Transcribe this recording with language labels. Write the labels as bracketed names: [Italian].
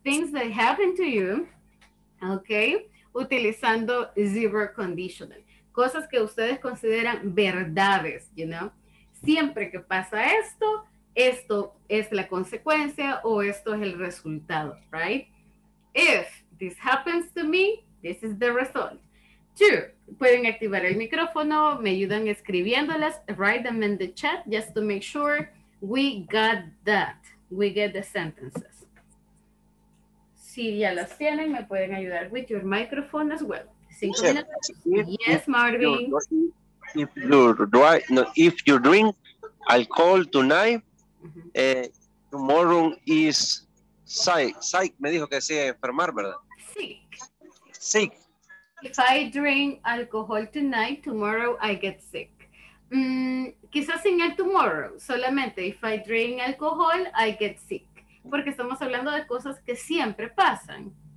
[English] Things that happen to you, okay? [Spanish] Utilizando [English] zero conditional. [Spanish] Cosas que ustedes consideran verdades, [English] you know? [Spanish] Siempre que pasa esto, esto es la consecuencia o esto es el resultado, right? [English] If this happens to me, this is the result. Two, [Spanish] pueden activar el micrófono, me ayudan escribiéndolas, [English] write them in the chat just to make sure we got that, we get the sentences. [Spanish] Si ya las tienen, me pueden ayudar [English] with your microphone as well. Yes, Marvin. If you drink alcohol tonight, tomorrow is sick. [Spanish] Me dijo que se iba a enfermar, ¿verdad? [English] Sick. If I drink alcohol tonight, tomorrow I get sick. [Spanish] Quizás sin el [English] tomorrow, [Spanish] solamente [English] if I drink alcohol, I get sick. [Spanish] Porque estamos hablando de cosas que siempre pasan.